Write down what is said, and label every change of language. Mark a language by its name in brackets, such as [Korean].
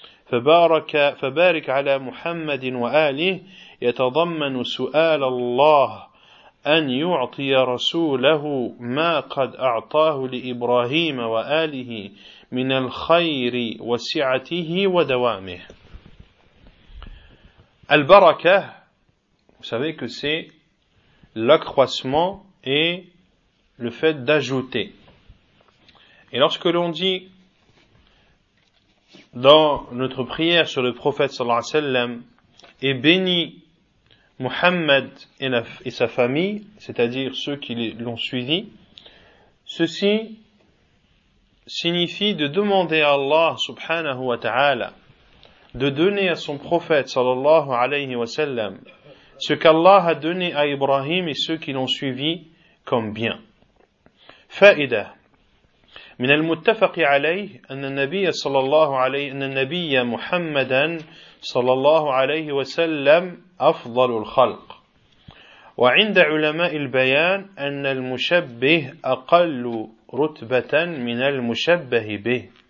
[Arabic] Fabarak ala Muhammadin wa alihi yatadammanu su'al Allah أن يعطي رسوله ما قد أعطاه لإبراهيم وآله من الخير وسعته ودوامه. [French] البركة, vous savez que c'est l'accroissement et le fait d'ajouter. Et lorsque l'on dit dans notre prière sur le prophète صلى الله عليه وسلم, est béni Muhammad et sa famille, c'est-à-dire ceux qui l'ont suivi, ceci signifie de demander à Allah subhanahu wa ta'ala de donner à son prophète sallallahu alayhi wa sallam ce qu'Allah a donné à Ibrahim et ceux qui l'ont suivi comme bien. [Arabic] Fa'ida. من المتفق عليه أن النبي صلى الله عليه أن النبي محمدا صلى الله عليه وسلم أفضل الخلق وعند علماء البيان أن المشبه أقل رتبة من المشبه به